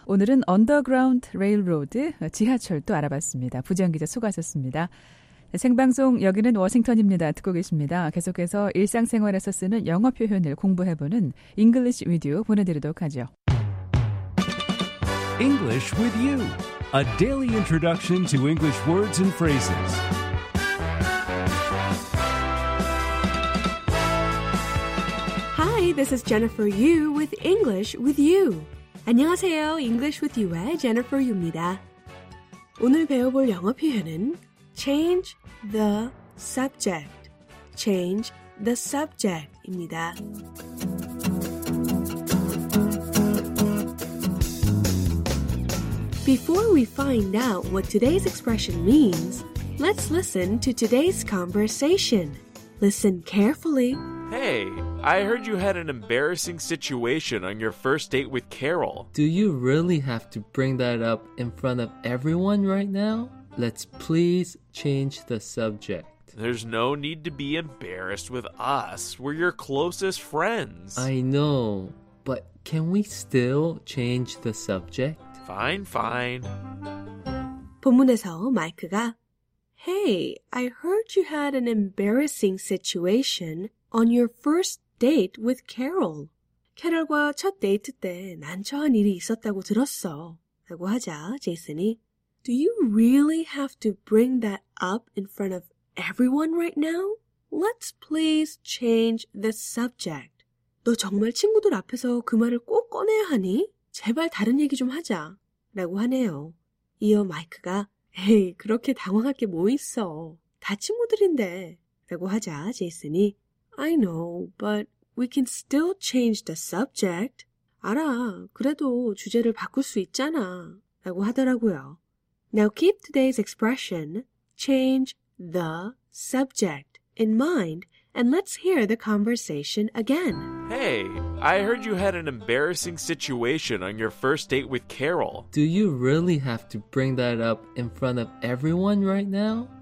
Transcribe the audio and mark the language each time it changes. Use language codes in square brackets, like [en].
[ko] 오늘은 언더그라운드 레일로드, 지하철도 알아봤습니다. 부지영 기자 수고하셨습니다. 생방송 여기는 워싱턴입니다. 듣고 계십니다. 계속해서 일상생활에서 쓰는 영어 표현을 공부해보는 English with you 보내드리도록 하죠. [en] English with you. A daily introduction to English words and phrases. [ko] 안녕하세요. English with you의 Jennifer Yu입니다. 오늘 배워볼 영어 표현은 [en] change the subject. change the subject입니다. Before we find out what today's expression means, let's listen to today's conversation. Listen carefully. Hey, I heard you had an embarrassing situation on your first date with Carol. Do you really have to bring that up in front of everyone right now? Let's please change the subject. There's no need to be embarrassed with us. We're your closest friends. I know, but can we still change the subject? Fine, fine. [ko] 본문에서 마이크가 [en] Hey, I heard you had an embarrassing situation on your first date with Carol. [ko] 캐럴과 첫 데이트 때 난처한 일이 있었다고 들었어. 라고 하자 제이슨이 [en] Do you really have to bring that up in front of everyone right now? Let's please change the subject. [ko] 너 정말 친구들 앞에서 그 말을 꼭 꺼내야 하니? 제발 다른 얘기 좀 하자. 라고 하네요. 이어 마이크가 에이, 그렇게 당황할 게 뭐 있어. 다 친구들인데. 라고 하자 제이슨이 [en] I know, but we can still change the subject. [ko] 알아, 그래도 주제를 바꿀 수 있잖아. 라고 하더라고요. [en] Now keep today's expression, change the subject, in mind, and let's hear the conversation again. Hey, I heard you had an embarrassing situation on your first date with Carol. Do you really have to bring that up in front of everyone right now?